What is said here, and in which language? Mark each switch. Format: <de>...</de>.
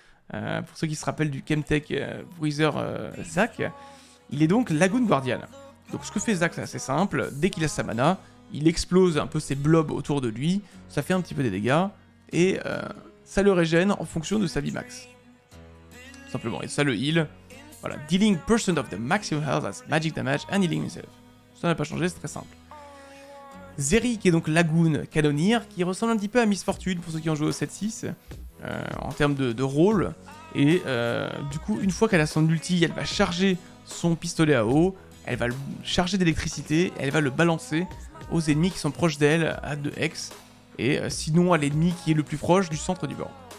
<fr>Pour ceux qui se rappellent du Chemtech Bruiser Zac, il est donc Lagoon Guardian. Donc ce que fait Zac, c'est assez simple, dès qu'il a sa mana, il explose un peu ses blobs autour de lui, ça fait un petit peu des dégâts, et ça le régène en fonction de sa vie max. Tout simplement, et ça le heal. Voilà,</fr> <en>dealing percent of the maximum health as magic damage and healing himself.</en> <fr>Ça n'a pas changé, c'est très simple. Zeri, qui est donc Lagoon Cannoneer, qui ressemble un petit peu à Miss Fortune pour ceux qui ont joué au 7-6. En termes de rôle, et du coup, une fois qu'elle a son ulti, elle va charger son pistolet à eau, elle va le charger d'électricité, elle va le balancer aux ennemis qui sont proches d'elle, à 2 hex, et sinon à l'ennemi qui est le plus proche du centre du bord.</fr>